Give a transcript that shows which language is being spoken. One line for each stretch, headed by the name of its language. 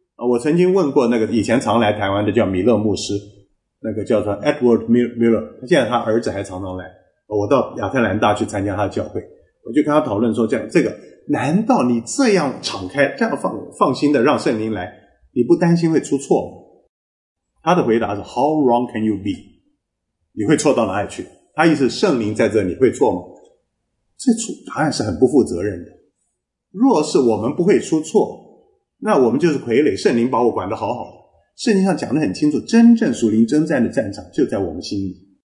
Chinese: 我曾经问过那个以前常来台湾的叫米勒牧师，那个叫做 Edward Miller， 现在他儿子还常常来，我到亚特兰大去参加他的教会，我就跟他讨论说，这个难道你这样敞开，这样放心的让圣灵来，你不担心会出错吗？他的回答是
English: How wrong can you be？
Chinese: 你会错到哪里去？他意思圣灵在这里会错吗？这答案是很不负责任的。若是我们不会出错，那我们就是傀儡，圣灵把我管得好好的。圣经上讲得很清楚，真正属灵征战的战场就在我们心里。